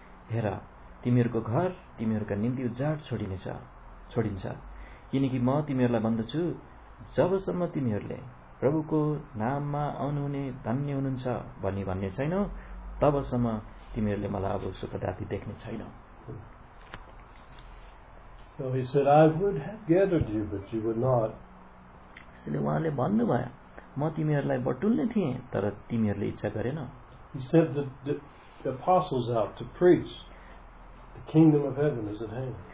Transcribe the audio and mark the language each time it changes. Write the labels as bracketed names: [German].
[Nepali] हेर तिमीहरूको घर तिमीहरूका निम्ति उजाड छोडिनेछ छोडिन्छ किनकि म तिमीहरूलाई भन्दछु जबसम्म तिमीहरूले प्रभुको नाममा आउनुहुने धन्य हुनुहुन्छ भनी भन्ने छैनौ तबसम्म तिमीहरूले मलाई अब सुखदाति देख्ने छैनौ [English] So he said, I would have gathered you, but you would not. [Nepali] त्यसैले उहाँले भन्नुभयो म तिमीहरूलाई बटुल्ने थिएँ तर तिमीहरूले इच्छा गरेन [English] He sent the apostles out to preach. The kingdom of heaven is at hand.